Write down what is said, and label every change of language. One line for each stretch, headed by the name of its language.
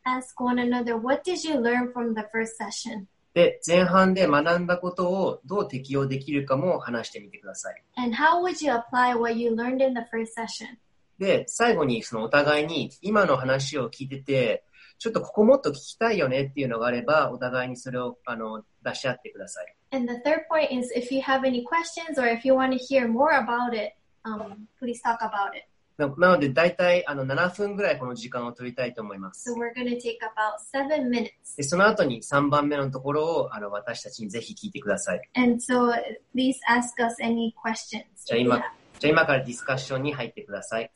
English: Ask one another, what did you learn from the first session?
Japanese: で、前半で学んだことをどう適用できるかも話してみてください。
English: And how would you apply what you learned in the first session?
Japanese: で、最後にそのお互いに今の話を聞いてて、ちょっとここもっと聞きたいよねっていうのがあれば、お互いにそれを出し合ってください。
English: And the third point is if you have any questions or if you want to hear more about it, please talk about it.
Japanese: なので大体あの7分ぐらいこの時間を取りたいと思います。
English: So we're gonna take about 7 minutes.
Japanese: でその後に3番目のところをあの私たちにぜひ聞いてください。
English: And so please ask us any questions.
Japanese: じゃあ今からディスカッションに入ってください。